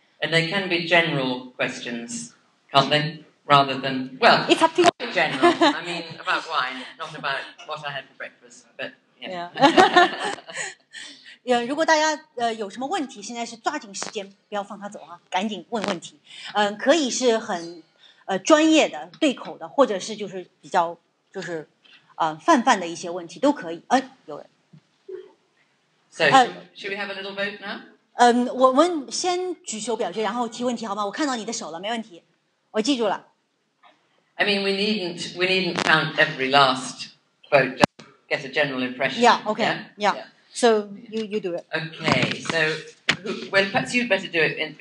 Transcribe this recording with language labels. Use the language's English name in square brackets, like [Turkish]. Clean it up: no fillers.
[English] And they can be general questions, can't they? Rather than, well, it's up to you. General. I mean, about wine, not about what I had for breakfast. But, yeah. [Chinese] 如果大家有什么问题，现在是抓紧时间，不要放他走啊，赶紧问问题。可以是很专业的对口的，或者是就是比较就是泛泛的一些问题都可以。有人。 [English] So should we have a little vote now? [Chinese] 我们先举手表决，然后提问题好吗？我看到你的手了，没问题，我记住了。 [English] I mean, we needn't count every last vote. Just get a general impression. Yeah. Okay. Yeah. Yeah. Yeah. So you do it. Okay, so well, perhaps you'd better do it.